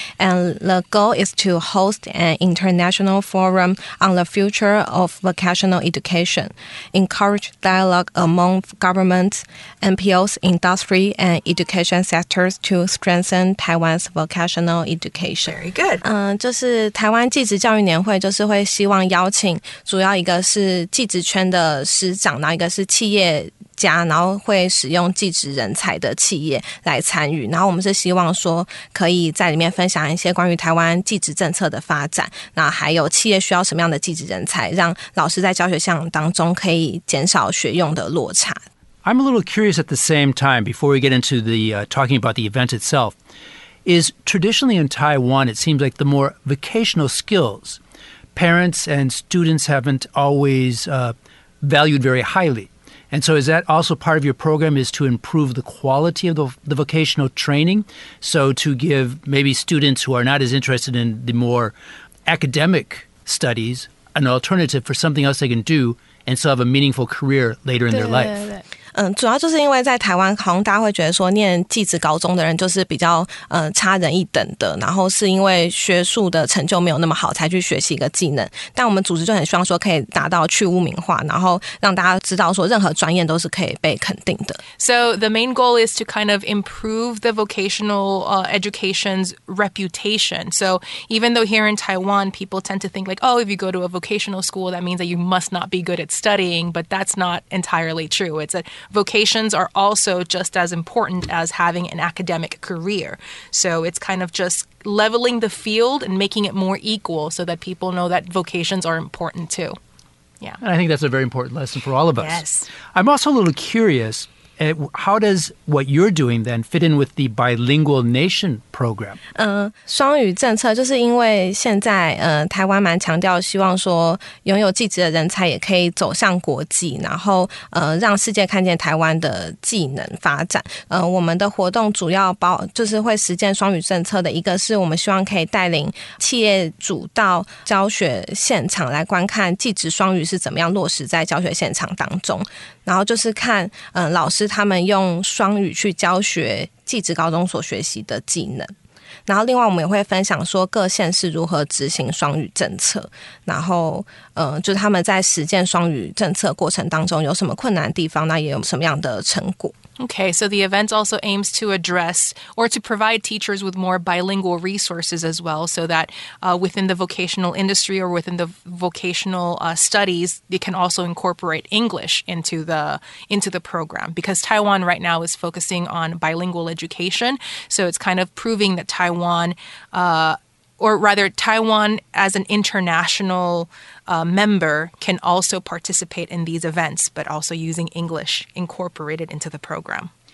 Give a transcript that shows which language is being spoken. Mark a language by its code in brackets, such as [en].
[en] And the goal is to host an international forum on the future of vocational education, encourage dialogue among governments, NPOs, industry, and education sectors to strengthen Taiwan's vocational education. Very good. [zh] 就是台湾技职教育年会，就是会希望邀请主要一个是技职圈的师长，然后一个是企业家，然后会使用技职人才的企业来参与，然后我们是希望说可以在里面分享一些关于台湾技职政策的发展，那还有企业需要什么样的技职人才，让老师在教学项当中可以减少学用的落差。 [en] I'm a little curious at the same time, before we get into the talking about the event itself, is traditionally in Taiwan, it seems like the more vocational skills, parents and students haven't always valued very highly. And so is that also part of your program is to improve the quality of the vocational training? So to give maybe students who are not as interested in the more academic studies an alternative for something else they can do and still have a meaningful career later in their life. [zh] 主要就是因为在台湾好像大家会觉得说念技职高中的人就是比较差人一等的，然后是因为学术的成就没有那么好才去学习一个技能，但我们组织就很希望说可以达到去污名化，然后让大家知道说任何专业都是可以被肯定的。 [en] So the main goal is to kind of improve the vocational education's reputation. So even though here in Taiwan people tend to think like, oh, if you go to a vocational school that means that you must not be good at studying, but that's not entirely true. It's aVocations are also just as important as having an academic career. So it's kind of just leveling the field and making it more equal so that people know that vocations are important too. Yeah. And I think that's a very important lesson for all of us. Yes. I'm also a little curious, how does what you're doing then fit in with the bilingual nation program? [zh] 双语政策就是因为现在台湾蛮强调希望说拥有技职的人才也可以走向国际，然后让世界看见台湾的技能发展。我们的活动主要包就是会实践双语政策的一个是我们希望可以带领企业主到教学现场来观看技职双语是怎么样落实在教学现场当中，然后就是看老师他们用双语去教学技职高中所学习的技能，然后另外我们也会分享说各县市如何执行双语政策，然后就是他们在实践双语政策过程当中有什么困难的地方，那也有什么样的成果。 [en] Okay, so the event also aims to address or to provide teachers with more bilingual resources as well, so that within the vocational industry or within the vocational studies, they can also incorporate English into the program. Because Taiwan right now is focusing on bilingual education, so it's kind of proving that Taiwan as an international member can also participate in these events, but also using English incorporated into the program.